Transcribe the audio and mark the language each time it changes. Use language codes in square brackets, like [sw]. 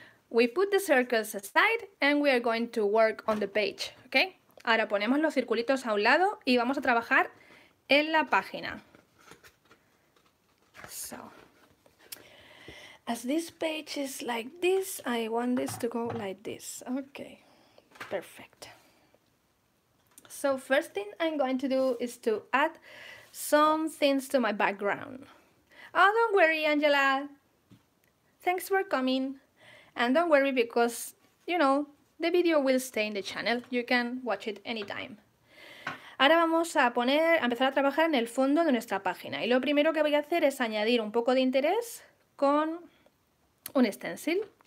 [en] We put the circles aside and we are going to work on the page, okay? [es] Ahora ponemos los circulitos a un lado y vamos a trabajar en la página. [en] So, as this page is like this, I want this to go like this. Okay, perfect. So, first thing I'm going to do is to add some things to my background. Oh, don't worry, Angela. Thanks for coming. And don't worry because, you know, the video will stay in the channel. You can watch it anytime. [es] Ahora vamos a poner, a empezar a trabajar en el fondo de nuestra página. Y lo primero que voy a hacer es añadir un poco de interés con un stencil.